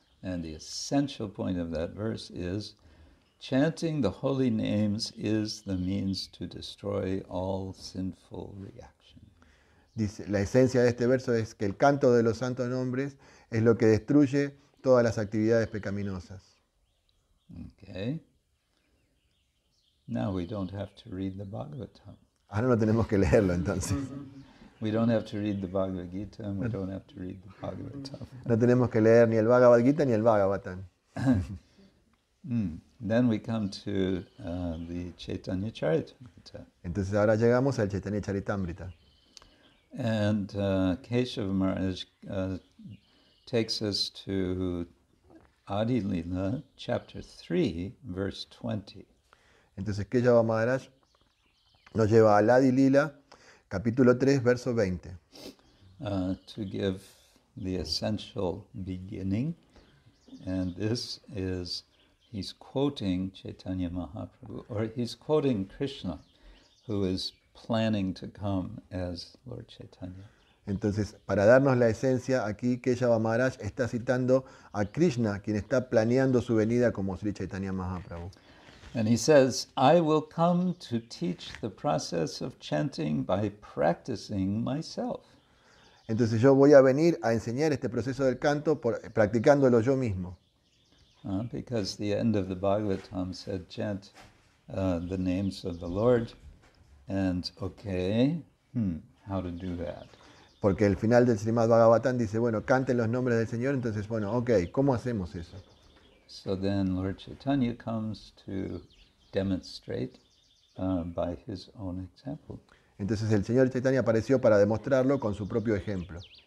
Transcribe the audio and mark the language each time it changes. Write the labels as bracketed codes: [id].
[en] And the essential point of that verse is, chanting the holy names is the means to destroy all sinful reactions. [es] Dice, la esencia de este verso es que el canto de los santos nombres es lo que destruye todas las actividades pecaminosas. [en] Okay. Now we don't have to read the Bhagavatam. [es] Ahora no tenemos que leerlo, entonces. [en] We don't have to read the Bhagavad Gita and we don't have to read the Bhagavatam. [es] No tenemos que leer ni el Bhagavad Gita ni el Bhagavatam. [en] Then we come to the Chaitanya Charitamrita. [es] Entonces ahora llegamos al Chaitanya Charitamrita. [en] And Keshava Maharaj takes us to Adi Lila, chapter 3, verse 20. [es] Entonces, Keshava Maharaj nos lleva al Adi Lila, capítulo 3, verso 20. [en] To give the essential beginning, and this is, he's quoting Chaitanya Mahaprabhu, or he's quoting Krishna, who is planning to come as Lord Chaitanya. [es] Entonces, para darnos la esencia, aquí Keshava Maharaj está citando a Krishna, quien está planeando su venida como Sri Chaitanya Mahaprabhu. [en] And he says, I will come to teach the process of chanting by practicing myself. [es] Entonces yo voy a venir a enseñar este proceso del canto por, practicándolo yo mismo. [en] Because the end of the Bhagavatam said, chant the names of the Lord, and okay, how to do that? [es] Porque el final del Srimad Bhagavatam dice, bueno, canten los nombres del Señor, entonces, bueno, okay, ¿cómo hacemos eso? [en] So then Lord Chaitanya comes to demonstrate by his own example. [es] Entonces el Señor Chaitanya apareció para demostrarlo con su propio ejemplo.